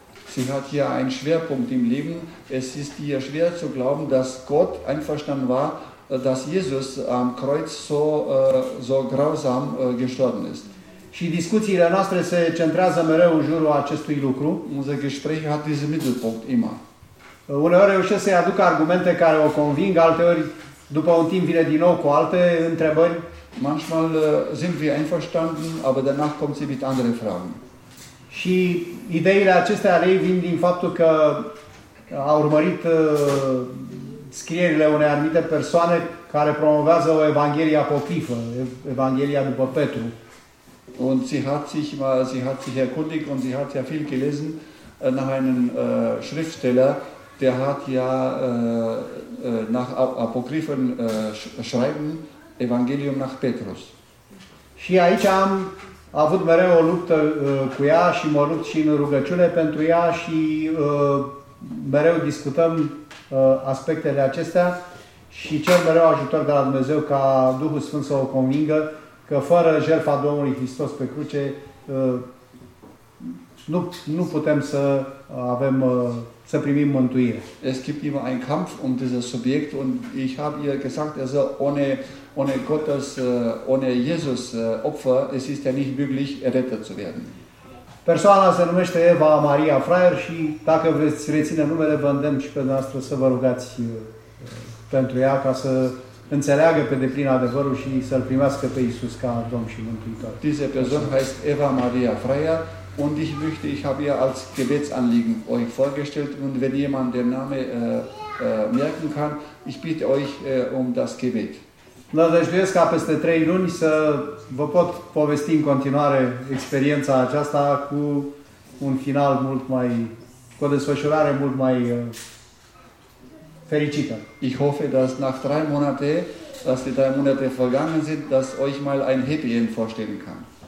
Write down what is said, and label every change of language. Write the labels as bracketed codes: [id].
[de] Sie hat hier einen Schwerpunkt im Leben. Es ist ihr schwer zu glauben, dass Gott einverstanden war, dass Jesus am Kreuz so grausam gestorben ist. [ro] Și discuțiile noastre se centrează mereu în jurul acestui lucru. [de] Unser Gespräch hat diesen Mittelpunkt immer. [ro] Uneori reușesc să-i aduc argumente care o conving, alteori după un timp vine din nou cu alte întrebări. [de] Manchmal sind wir einverstanden, aber danach kommt sie mit anderen Fragen. [ro] Și ideile acestea ale ei vin din faptul că a urmărit scrierile unei anumite persoane care promovează o evanghelie apocrifă, evanghelia după Petru. [de] Und sie hat sich erkundigt und sie hat ja viel gelesen nach einem Schriftsteller, der hat ja nach apokryphen schreiben Evangelium nach Petrus. [ro] Și aici am avut mereu o luptă cu ea și mă rupt și în rugăciune pentru ea și mereu discutăm aspectele acestea și cer mereu ajutor de la Dumnezeu ca Duhul Sfânt să o convingă că fără jertfa Domnului Hristos pe cruce nu putem să avem să primim mântuire. [de] Es gibt immer ein Kampf um dieses Subjekt und ich habe ihr gesagt, also ohne Gottes ohne Jesus Opfer, es ist ja nicht möglich errettet zu werden. [ro] Persoana se numește Eva Maria Fraier și dacă vreți reține numele, vă îndemn și pe dumneavoastră să vă rugați pentru ea ca să înțeleagă pe deplin adevărul și să-l primească pe Iisus ca Domn și Mântuitor. [de] Diese Person heißt Eva Maria Fraier und ich habe ihr als Gebetsanliegen euch vorgestellt und wenn jemand den Namen merken kann, ich bitte euch um das Gebet. [ro] Nădăjduiesc ca peste 3 luni să vă pot povesti în continuare experiența aceasta cu un final mult mai, cu o desfășurare mult mai fericită. [de] Ich hoffe, dass nach 3 Monate, dass die 3 Monate vergangen sind, dass euch mal ein Happy End vorstellen kann.